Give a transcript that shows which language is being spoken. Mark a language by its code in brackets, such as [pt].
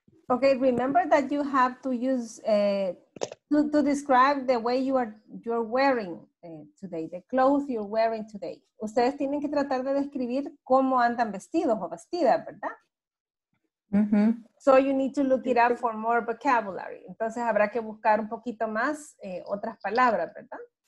[en] Okay, remember that you have to use to describe the way you're wearing today, the clothes you're wearing today. [es] Ustedes tienen que tratar de describir cómo andan vestidos o vestidas, ¿verdad? Mm-hmm. [en] So you need to look it up for more vocabulary. [es] Entonces habrá que buscar un poquito más otras palabras, ¿verdad?